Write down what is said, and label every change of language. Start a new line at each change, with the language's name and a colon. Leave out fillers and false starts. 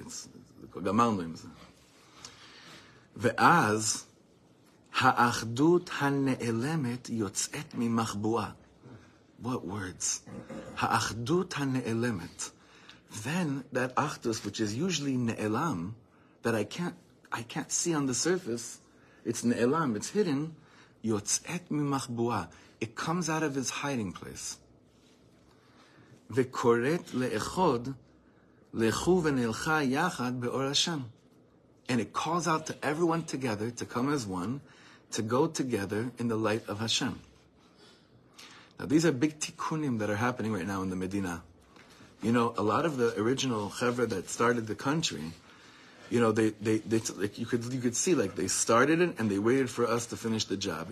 English: It's gamalim.
Hebrew: Ve'az ha'achdut hane'elemet yotzet mimachbuah.
English: What words?
Hebrew: Ha'achdut hane'elemet.
English: Then that achdus, which is usually ne'elam, that I can't see on the surface. It's ne'elam. It's hidden.
Hebrew: Yotzet mimachbuah.
English: It comes out of his hiding place.
Hebrew: וקוראת לאחד לכו ונלכה יחד באור השם.
English: And it calls out to everyone together to come as one, to go together in the light of Hashem. Now these are big tikkunim that are happening right now in the Medina. You know, a lot of the original chevra that started the country, you know, they like you could see, like, they started it and they waited for us to finish the job.